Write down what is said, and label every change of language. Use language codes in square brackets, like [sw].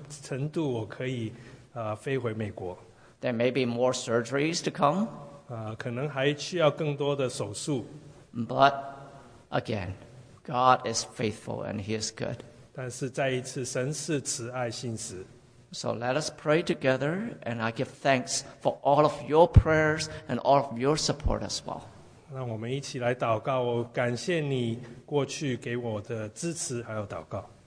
[zh] 医生医治我到一个程度，我可以飞回美国。 [en] There may be more surgeries to come. [zh] 可能还需要更多的手术。 [en] But again, God is faithful and He is good. [zh] 但是再一次，神是慈爱信实。 [en] So let us pray together, and I give thanks for all of your prayers and all of your support as well. [zh] 让我们一起来祷告，我感谢你过去给我的支持还有祷告。